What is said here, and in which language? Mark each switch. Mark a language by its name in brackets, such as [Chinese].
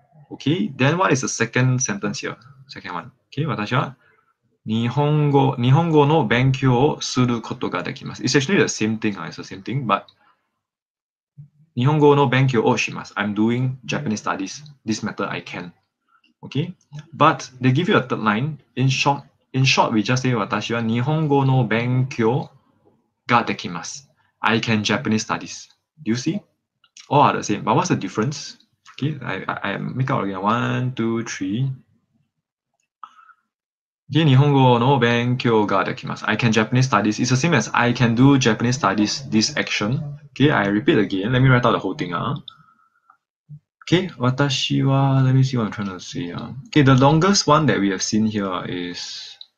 [English] Okay, then what is the second sentence here? Second one. [Japanese] Okay, 私は日本語の勉強をすることができます。 [English] It's actually the same thing, huh? It's the same thing, but [Japanese] 日本語の勉強をします。 [English] I'm doing Japanese studies. This method I can. Okay? But they give you a third line. In short, we just say [Japanese] 私は日本語の勉強ができます。 [English] I can Japanese studies. Do you see? All are the same. But what's the difference? Okay, I make out again. 1, 2, 3. [Japanese] で、日本語の勉強ができます。 [English] I can Japanese studies. It's the same as I can do Japanese studies this action. Okay, I repeat again. Let me write out the whole thing. Okay, 私は、let me see what I'm trying to say. Okay, the longest one that we have seen here is...